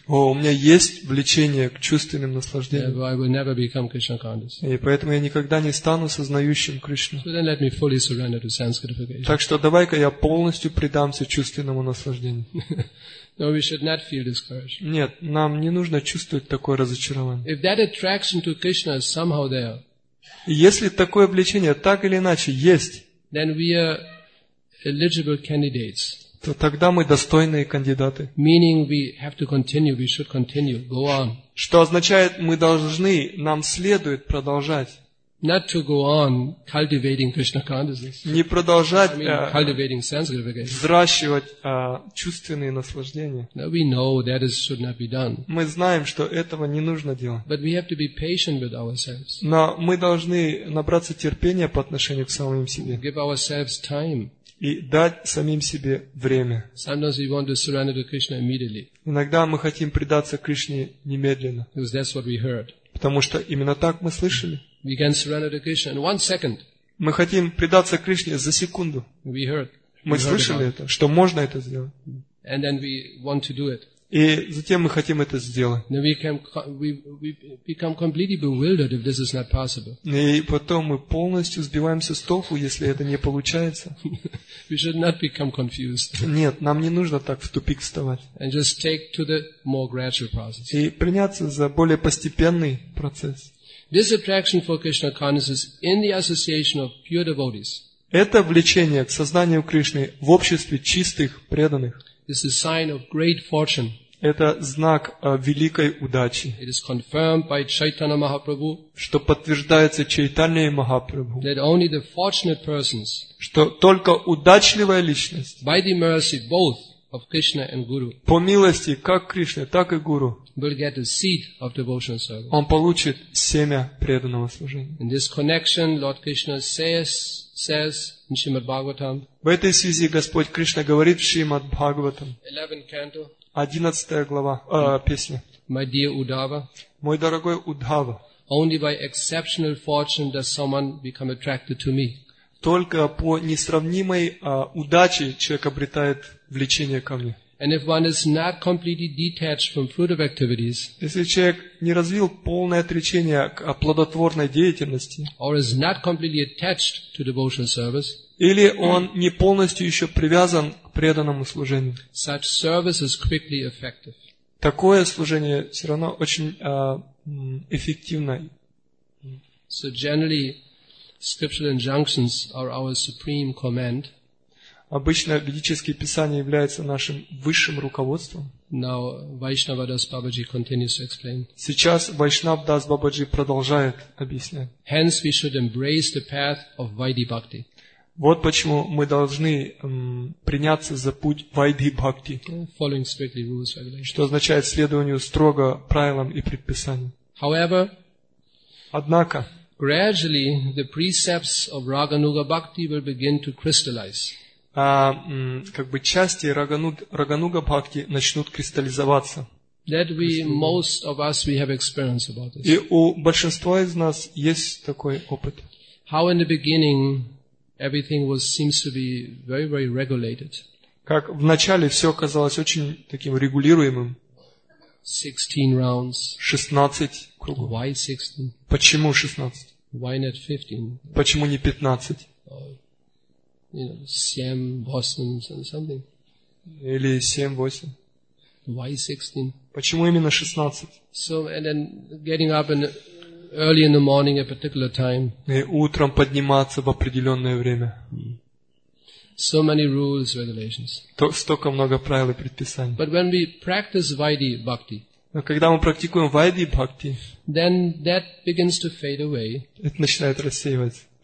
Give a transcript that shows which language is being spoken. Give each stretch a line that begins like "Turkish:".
Russian: О, у меня есть влечение к чувственным наслаждениям.
English: Yeah, I will never become Krishna conscious.
Russian: И поэтому я никогда не стану сознающим Кришну.
English: So then let me fully surrender to sense gratification.
Russian: Так что давай-ка я полностью предамся чувственному наслаждению.
English: No, we should not feel discouraged.
Russian: Нет, нам не нужно чувствовать такое разочарование.
English: If that attraction to Krishna is somehow there,
Russian: если такое влечение так или иначе есть,
English: then we are eligible candidates.
Russian: То тогда мы достойные кандидаты.
English: Meaning we have to continue, we should continue, go on.
Russian: Что означает, мы должны, нам следует продолжать.
English: Not to go on cultivating Krishna consciousness.
Russian: Не продолжать,
English: cultivating sense gratification.
Russian: Взращивать чувственные наслаждения.
English: Now we know that is should not be done.
Russian: Мы знаем, что этого не нужно делать.
English: But we have to be patient with ourselves.
Russian: Но мы должны набраться терпения по отношению к самим себе.
English: Give ourselves time.
Russian: И дать самим себе время.
English: Sometimes we want to surrender to Krishna immediately.
Russian: Иногда мы хотим предаться Кришне немедленно.
English: Because that's what we heard.
Russian: Потому что именно так мы слышали.
English: We can surrender to Krishna in one second.
Russian: Мы хотим предаться Кришне за секунду.
English: We heard.
Russian: Мы слышали это, что можно это сделать.
English: And then we want to do it.
Russian: И затем мы хотим это сделать.
English: Then we become completely bewildered if this is not possible.
Russian: И потом мы полностью сбиваемся с толку, если это не получается.
English: We should not become confused.
Russian: Нет, нам не нужно так в тупик вставать.
English: And just take to the more gradual process.
Russian: И приняться за более постепенный процесс.
English: This attraction for Krishna consciousness in the association of pure devotees.
Russian: Это влечение к сознанию Кришны в обществе чистых преданных.
English: This is a sign of great fortune.
Russian: Это знак великой удачи.
English: It is confirmed by Chaitanya Mahaprabhu.
Russian: Что подтверждается Чайтанья Махапрабху.
English: That only the fortunate persons.
Russian: Что только удачливая личность.
English: By the mercy both of Krishna and Guru.
Russian: По милости как Кришны, так и Гуру.
English: Will get the seed of devotional service.
Russian: Он получит семя преданного служения.
English: In this connection, Lord Krishna says in Shrimad Bhagavatam.
Russian: В этой связи Господь Кришна говорит в Шримад Бхагаватам.
English: 11th canto.
Russian: 11 глава песня.
English: My dear Uddhava.
Russian: Мой дорогой Уддхава.
English: Only by exceptional fortune does someone become attracted to me.
Russian: Только по несравнимой удаче человек обретает влечение ко мне.
English: And if one is not completely detached from fruitive activities,
Russian: если человек не развил полное отречение к плодотворной деятельности,
English: or is not completely attached to devotional service,
Russian: или он не полностью еще привязан к преданному служению,
English: such service is quickly effective.
Russian: Такое служение все равно очень эффективно.
English: So generally, scriptural injunctions are our supreme command.
Russian: Обычно ведические писания являются нашим высшим руководством.
English: Now, Vaishnava Das Babaji continues to explain.
Russian: Сейчас Vaishnava Das Babaji продолжает объяснять.
English: Hence we should embrace the path of Vaidhi Bhakti.
Russian: Вот почему мы должны приняться за путь Vaidhi Bhakti.
English: Following strictly rules and regulations.
Russian: Что означает следованию строго правилам и предписаниям.
English: However,
Russian: однако,
English: gradually the precepts of Raganuga Bhakti will begin to crystallize.
Russian: Как бы части Рагануга Бхакти начнут кристаллизоваться.
English: That we, most of us, we have experience about this.
Russian: И у большинства из нас есть такой опыт.
English: How in the beginning everything was seems to be very, very regulated.
Russian: Как в начале все казалось очень таким регулируемым.
English: 16 rounds.
Russian: 16 кругов.
English: Why 16?
Russian: Почему 16?
English: Why not 15?
Russian: Почему не 15?
English: You know, 7 bhasams and something.
Russian: Или 7-8.
English: Why 16?
Russian: Почему именно 16?
English: So, and then getting up in early in the morning at a particular time.
Russian: И утром подниматься в определенное время.
English: So many rules, regulations.
Russian: Столько много правил и предписаний.
English: But when we practice Vaidhi Bhakti,
Russian: но когда мы практикуем Vaidhi Bhakti,
English: then that begins to fade away.
Russian: Это начинает рассеиваться.